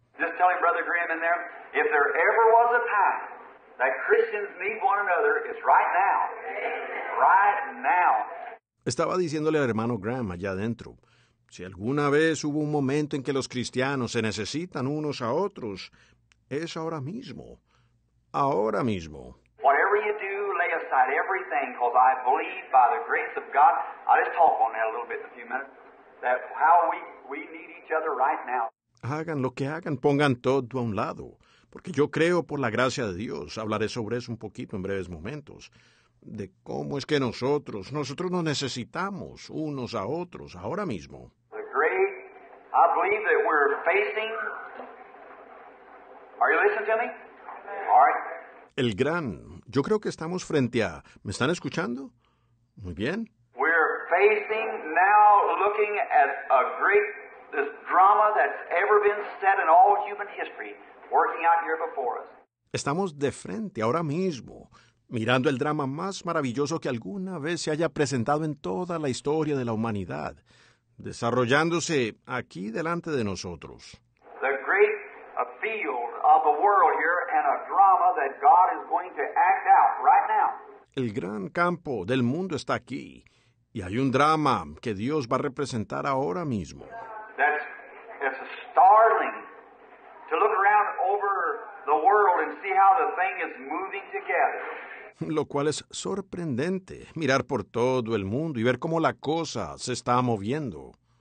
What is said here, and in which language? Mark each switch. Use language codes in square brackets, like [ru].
[en] Just telling Brother Graham in there, if there ever was a time that Christians need one another, it's right now. Right now. [es] Estaba diciéndole al hermano Graham allá adentro, si alguna vez hubo un momento en que los cristianos se necesitan unos a otros, es ahora mismo. Ahora mismo. [en] Whatever you do, lay aside everything, because I believe by the grace of God, I'll just talk on that a little bit in a few minutes. That how we need each other right now. [es] Hagan lo que hagan, pongan todo a un lado. porque yo creo por la gracia de Dios. Hablaré sobre eso un poquito en breves momentos, de cómo es que nosotros nos necesitamos unos a otros ahora mismo. [en] I believe that we're facing. Are you listening to me? All right. [es] El gran, yo creo que estamos frente a, ¿me están escuchando? Muy bien. [en] We're facing now looking at a great, this drama that's ever been set in all human history, working out here before us. [es] Estamos de frente ahora mismo, mirando el drama más maravilloso que alguna vez se haya presentado en toda la historia de la humanidad, desarrollándose aquí delante de nosotros. [en] The great field of the world here and a drama that God is going to act out right now. [es] El gran campo del mundo está aquí y hay un drama que Dios va a representar ahora mismo. [en] That's startling to look around over the world and see how the thing is moving together. [es] Lo cual es sorprendente, mirar por todo el mundo y ver cómo la cosa se está moviendo.